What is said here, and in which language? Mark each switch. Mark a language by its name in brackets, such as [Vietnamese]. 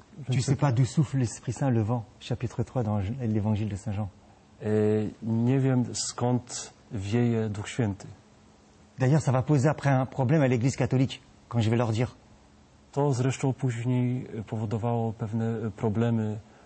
[French] tu sais pas d'où souffle l'Esprit Saint le vent, chapitre 3 dans l'Évangile de Saint Jean. [Polish] Nie wiem, skąd wieje Duch Święty. [French] D'ailleurs, ça va poser après un problème à l'église catholique quand je vais leur dire. [Polish] To zresztą później powodowało pewne problemy